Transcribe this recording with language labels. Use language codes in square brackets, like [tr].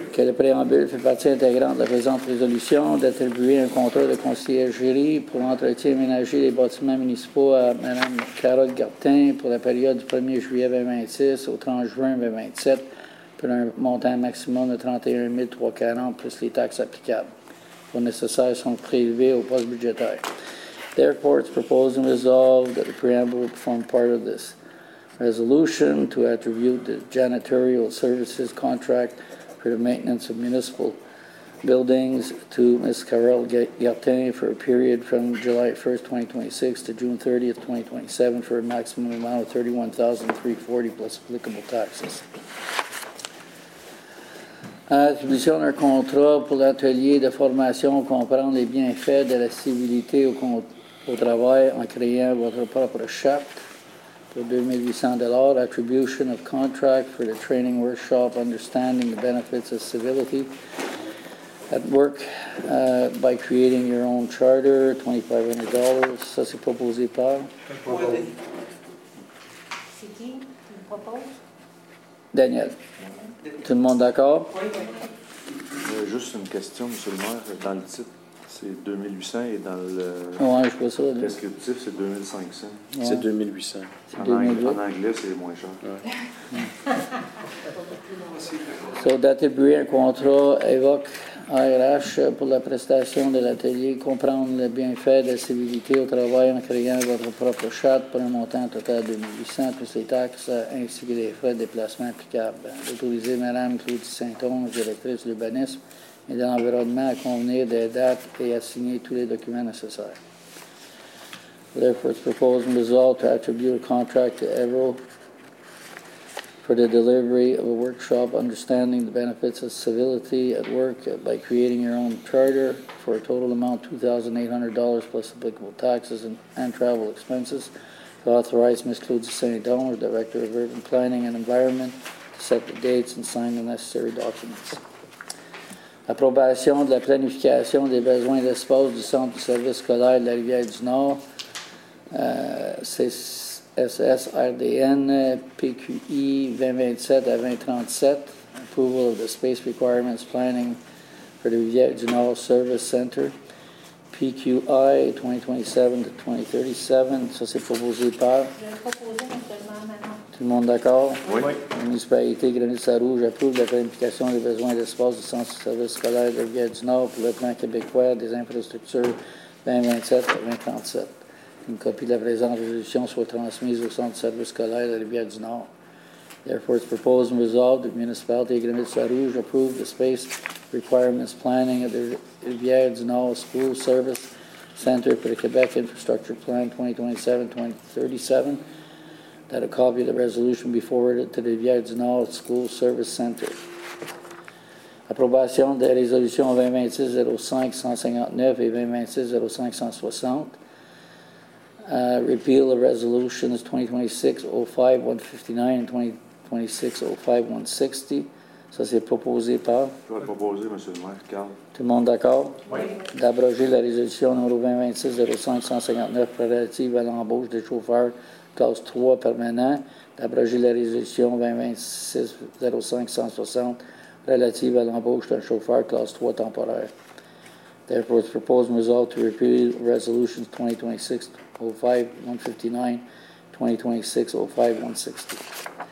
[fr] Que le préambule fait partie intégrante de la présente résolution d'attribuer un contrat de conseiller jury pour l'entretien ménager des bâtiments municipaux à Mme Carole Gertin pour la période du 1er juillet 2026 au 30 juin 2027 pour un montant maximum de 31 340 plus les taxes applicables. Pour nécessaire sont prélevés au poste budgétaire. [en] Therefore, it's proposed and resolved that the preamble will form part of this resolution to attribute the janitorial services contract for the maintenance of municipal buildings to Ms. Carole Gertin for a period from July 1st, 2026 to June 30th, 2027 for a maximum amount of $31,340 plus applicable taxes. [fr] Attribution d'un contrat pour l'atelier de formation comprendre les bienfaits de la civilité au travail en créant votre propre charte pour $2,800. [en] Attribution of contract for the training workshop understanding the benefits of civility at work by creating your own charter, $2,500. [fr] Ça, c'est proposé par? C'est qui? Tu proposes? Daniel. Tout le monde d'accord? Oui. Juste une question, monsieur le maire. Dans le titre, c'est 2800 et dans le prescriptif, c'est 2500. Ouais. C'est 2800. En anglais, c'est moins cher. Ouais. Ouais. So, d'attribuer un contrat évoque ARH pour la prestation de l'atelier, comprendre les bienfaits de la civilité au travail en créant votre propre charte pour un montant total de 2800 plus les taxes ainsi que les frais de déplacement applicables. Autoriser Mme Claudie Saint-Onge, directrice de l'urbanisme et de l'environnement, à convenir des dates et à signer tous les documents nécessaires. [en] Therefore, it's proposed and resolved to attribute a contract to Evro for the delivery of a workshop, understanding the benefits of civility at work by creating your own charter for a total amount of $2,800 plus applicable taxes and travel expenses. To authorize Ms. Claudie Saint-Onge, Director of Urban Planning and Environment, to set the dates and sign the necessary documents. [fr] Approbation de la planification des besoins d'espace du Centre du service scolaire de la Rivière-du-Nord, SSRDN PQI 2027 à 2037. [en] Approval of the space requirements planning for the Rivière-du-Nord Service Center PQI 2027 to 2037. [fr] Ça, c'est proposé par. Je vais proposer maintenant. Tout le monde d'accord? Oui. La municipalité Grenier-Sarrouge approuve la planification des besoins d'espace du Centre de service scolaire de Rivière-du-Nord pour le plan québécois des infrastructures 2027 à 2037. Une copie de la présente résolution soit transmise au Centre de service scolaire de la Rivière-du-Nord. [en] Therefore, it's proposed and resolved that the municipality of Grenier-Sarrouge approve the space requirements planning of the Rivière-du-Nord School Service Center for the Quebec Infrastructure Plan 2027-2037, that a copy of the resolution be forwarded to the Rivière-du-Nord School Service Center. [fr] Approbation des résolutions 2026-05-159 et 2026-05-160. [en] Repeal of resolutions 2026-05-159 and 2026-05-160. [fr] Ça, c'est proposé par? Je vais proposer, M. le maire, Carl. Tout le monde d'accord? Oui. D'abroger la résolution numéro 2026-05-159 relative à l'embauche des chauffeurs classe 3 permanents. D'abroger la résolution 2026-05-160 relative à l'embauche d'un chauffeur classe 3 temporaire. [en] Therefore, it's proposed and resolved to repeal resolutions 2026-05-159, 2026-05-160.